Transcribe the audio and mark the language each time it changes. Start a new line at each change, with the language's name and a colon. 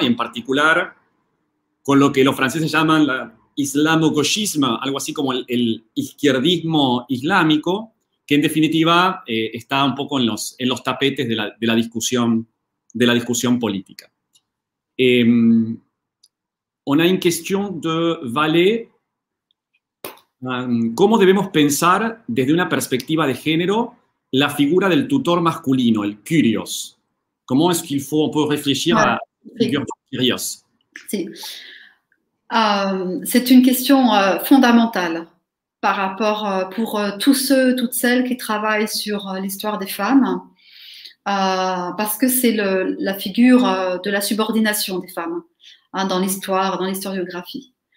Spanish: Y en particular con lo que los franceses llaman la islamo-gauchisme, algo así como el izquierdismo islámico, que en definitiva está un poco en los tapetes de la discusión política.
French: On a une question de Valet.
Spanish: ¿Cómo debemos pensar desde una perspectiva de género la figura del tutor masculino, el curios? ¿Cómo es que
French: on peut réfléchir
Spanish: a la figura del curios? Sí.
French: C'est une question fondamentale par rapport pour tous ceux, toutes celles qui travaillent sur l'histoire des femmes. parce que c'est la figure de la subordination des femmes hein, dans l'histoire, dans l'historiographie.